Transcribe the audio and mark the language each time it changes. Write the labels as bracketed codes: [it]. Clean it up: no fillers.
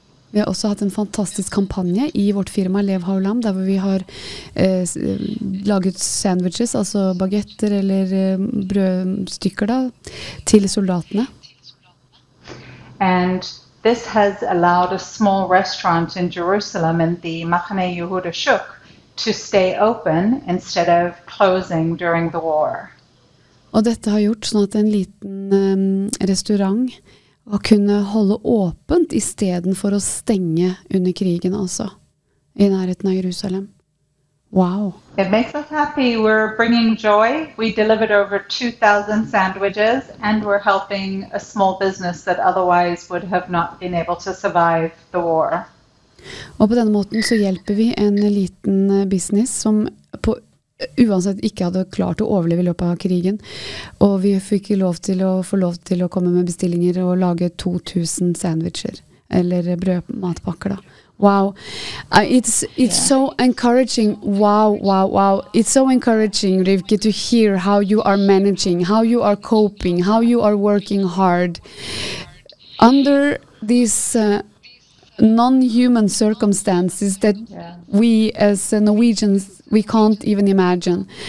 [no] Vi har også hatt en fantastisk kampanje I vårt firma Lev Ha'olam, der vi har laget sandwiches, altså baguetter eller brødstykker da, til soldatene. [en] And this has allowed a small restaurant in Jerusalem in the Machane Yehuda Shuk to stay open instead of closing during the war. [no] Og dette har gjort sånn at en liten restaurant og kunne holde åpent I stedet for å stenge under krigen altså I nærheten av Jerusalem. [en] Wow. It makes us happy. We're bringing joy. We delivered over 2000 sandwiches and we're helping a small business that otherwise would have not been able to survive the war. [no] Og på denne måten så hjelper vi en liten business som på uansett ikke hadde klart å overleve I løpet av krigen, og vi fikk lov til å få lov til å komme med bestillinger og lage 2000 sandwicher, eller brødmatpakker da. [en] Wow. It's so encouraging. Wow. It's so encouraging, Rivki, to hear how you are managing, how you are coping, how you are working hard under these non-human circumstances that we as Norwegians, we can't even imagine.